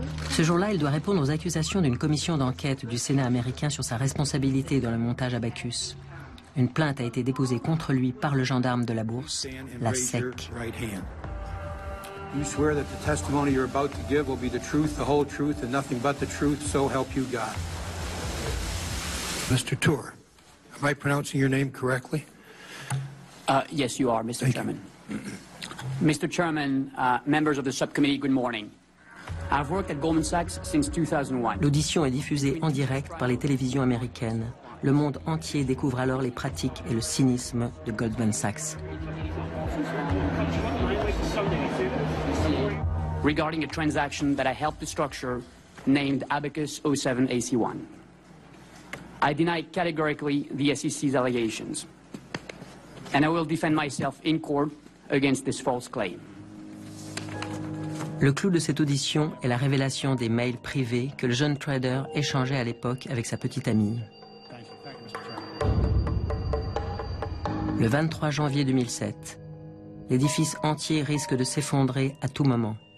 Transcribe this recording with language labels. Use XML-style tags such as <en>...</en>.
<fr>Ce jour-là, il doit répondre aux accusations d'une commission d'enquête du Sénat américain sur sa responsabilité dans le montage Abacus. Une plainte a été déposée contre lui par le gendarme de la bourse, la SEC.</fr> <en>You swear that the testimony you're about to give will be the truth, the whole truth, and nothing but the truth, so help you God. Mr. Tour, am I pronouncing your name correctly? Yes, you are, Mr. Thank Chairman. Mr. Chairman, members of the subcommittee, good morning. I've worked at Goldman Sachs since 2001.</en> <fr>L'audition est diffusée en direct par les télévisions américaines. Le monde entier découvre alors les pratiques et le cynisme de Goldman Sachs.</fr> <en>Regarding a transaction that I helped to structure named Abacus 07AC1. I deny categorically the SEC's allegations. And I will defend myself in court against this false claim.</en> <fr>Le clou de cette audition est la révélation des mails privés que le jeune trader échangeait à l'époque avec sa petite amie. Le 23 janvier 2007, l'édifice entier risque de s'effondrer à tout moment.</fr>